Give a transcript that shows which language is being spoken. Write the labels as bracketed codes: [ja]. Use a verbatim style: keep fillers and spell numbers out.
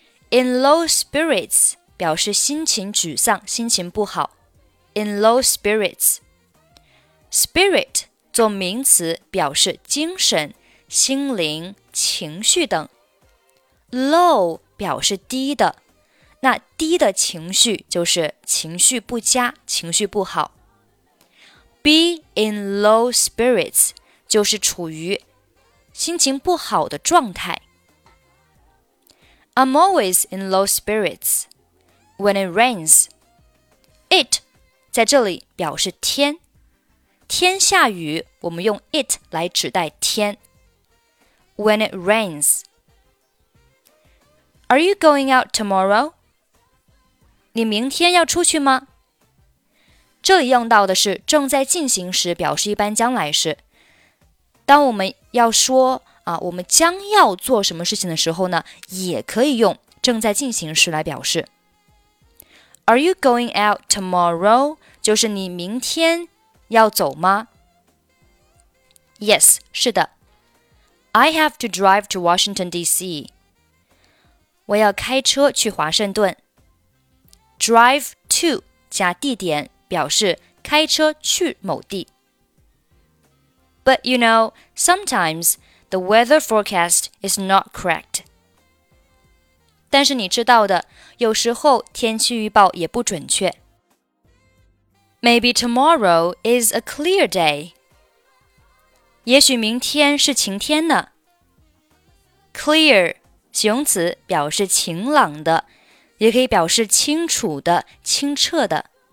[zh] In low spirits 表示心情沮丧、心情不好 In low spirits Spirit做名词表示精神、心灵、情绪等 Low 表示低的那低的情绪就是情绪不佳、情绪不好 Be in low spirits 就是处于心情不好的状态 I'm always in low spirits when it rains It 在这里表示天天下雨，我们用 it 来指代天。 [en] When it rains. Are you going out tomorrow? [zh] 你明天要出去吗？这里用到的是正在进行时，表示一般将来时。当我们要说啊，我们将要做什么事情的时候呢，也可以用正在进行时来表示。 [en] Are you going out tomorrow? [zh] 就是你明天要走吗 ？Yes, 是的。 [en] I have to drive to Washington, D C. [zh] 我要开车去华盛顿。 Drive to 加地点表示开车去某地。 [en] But you know, sometimes the weather forecast is not correct. [zh] 但是你知道的，有时候天气预报也不准确。 [en] Maybe tomorrow is a clear day. [zh] 也许明天是晴天呢。 Clear, 形容词表示晴朗的，也可以表示清楚的、清澈的。